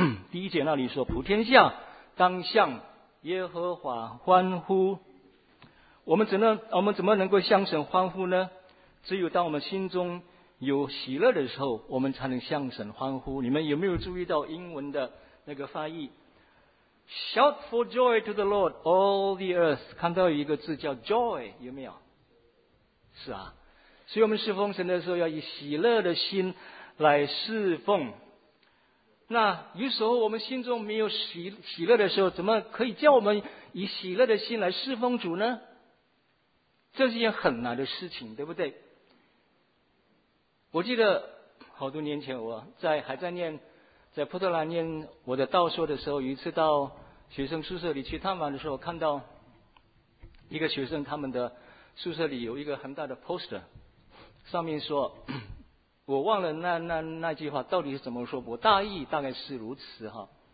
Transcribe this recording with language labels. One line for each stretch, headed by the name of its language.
Chinese: 第一节那里说，普天下当向耶和华欢呼。我们怎么能够向神欢呼呢？只有当我们心中有喜乐的时候，我们才能向神欢呼。你们有没有注意到英文的那个翻译？
English: Shout for joy to the Lord, all the earth.
Chinese: 看到一个字叫 joy, 有没有？是啊。所以我们侍奉神的时候要以喜乐的心来侍奉。那有时候我们心中没有喜乐的时候，怎么可以叫我们以喜乐的心来侍奉主呢？这是一件很难的事情，对不对？我记得好多年前，我在波特兰念我的道说的时候，有一次到学生宿舍里去探访的时候，看到一个学生他们的宿舍里有一个很大的 poster, 上面说，我忘了那句话到底是怎么说，我大意大概是如此哈。